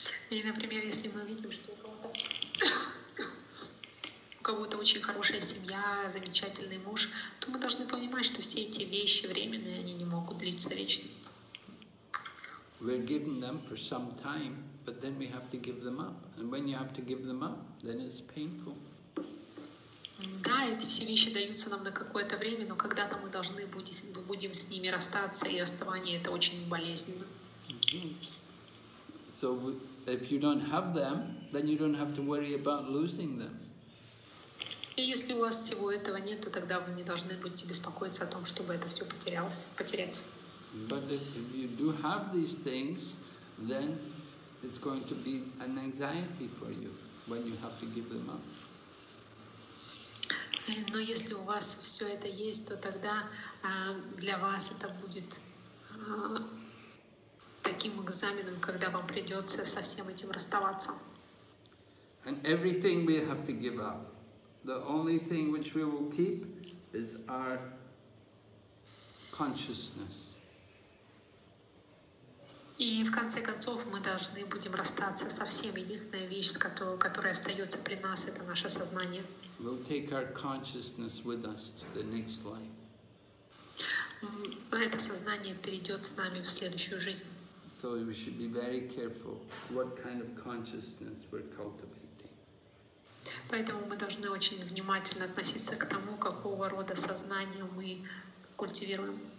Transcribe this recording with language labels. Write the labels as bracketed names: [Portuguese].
[Russian] И, например, если мы видим, что у кого-то очень хорошая семья, замечательный муж, то мы должны понимать, что все эти вещи временные, они не могут длиться вечно. [English] We're given them for some time, but then we have to give them up. And when you have to give them up, then it's painful. [Russian] Да, эти все вещи даются нам на какое-то время, но когда-то мы должны будем с ними расстаться, и расставание это очень болезненно. [English] So if you don't have them, then you don't have to worry about losing them. [Russian] И если у вас всего этого нет, то тогда вы не должны будете беспокоиться о том, чтобы это все потерять. [English] But if you do have these things, then it's going to be an anxiety for you when you have to give them up. [Russian] Но если у вас все это есть, то тогда для вас это будет таким экзаменом, когда вам придется со всем этим расставаться. [English] And everything we have to give up. The only thing which we will keep is our consciousness. [Russian] И в конце концов мы должны будем расстаться со всем. Единственная вещь, которая остается при нас, это наше сознание. [English] We'll take our consciousness with us to the next life. [Russian] Это сознание перейдет с нами в следующую жизнь. [English] So we should be very careful what kind of consciousness we're cultivating. [Russian] Поэтому мы должны очень внимательно относиться к тому, какого рода сознание мы культивируем.